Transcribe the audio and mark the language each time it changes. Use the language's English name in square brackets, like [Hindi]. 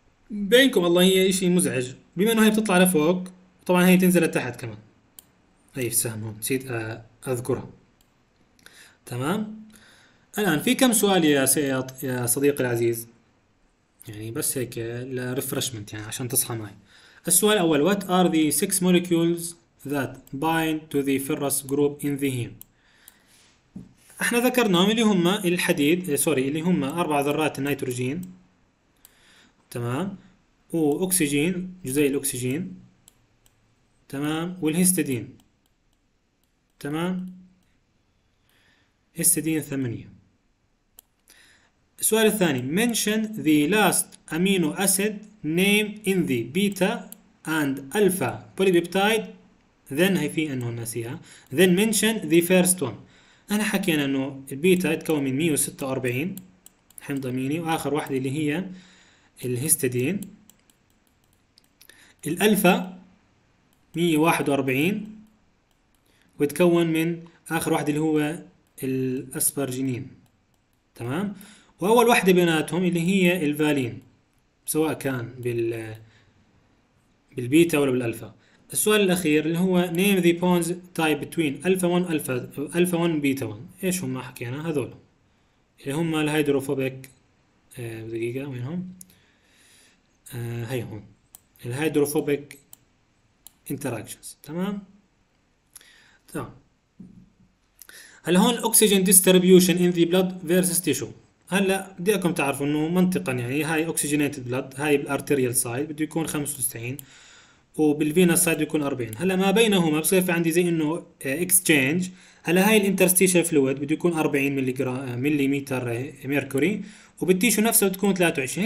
[Arabic] بينكم والله هي شيء مزعج، بما انه هي بتطلع لفوق، طبعا هي تنزل لتحت كمان، هي السهم هون نسيت اذكرها. تمام، الان في كم سؤال يا صديقي العزيز، يعني بس هيك لريفرشمنت يعني عشان تصحى معي. السؤال الاول، [English] What are the 6 molecules that bind to the ferrous group in the heme. [Arabic] احنا ذكرناهم اللي هم الحديد، سوري اللي هم اربع ذرات النيتروجين، تمام، واكسجين جزيء الاكسجين، تمام، والهيستيدين، تمام، هيستيدين 8. السؤال الثاني، [English] mention the last amino acid name in the beta and alpha polypeptide. Then [Arabic] هي في انه ناسيها. [English] Then mention the first one. [Arabic] انا حكينا انه البيتا تكون من 146 حمض اميني، واخر واحده اللي هي الهيستيدين. الالفا 141 وتكون من اخر واحده اللي هو الاسبرجينين، تمام، واول واحده بيناتهم اللي هي الفالين، سواء كان بالبيتا ولا بالالفا. السؤال الأخير اللي هو [English] name the bonds tied between alpha 1 alpha alpha 1 beta 1، [Arabic] ايش هم حكينا هذول اللي هم الهيدروفوبيك، دقيقة وينهم، هاي هون الهيدروفوبيك interactions. تمام، هلا هون الأكسجين [English] distribution in the blood versus tissue. [Arabic] هلا بدي اياكم تعرفوا انه منطقا يعني هاي اوكسجينيتد بلاد، هاي بالارتيريال سايد بده يكون 95، وبالفينس سايد بيكون 40. هلا ما بينهما بصير في عندي زي انه اكسشينج. هلا هاي الانترستيشن فلويد بده يكون 40 ملي جرام ملي متر ميركوري، وبالتيشو نفسه بتكون 23.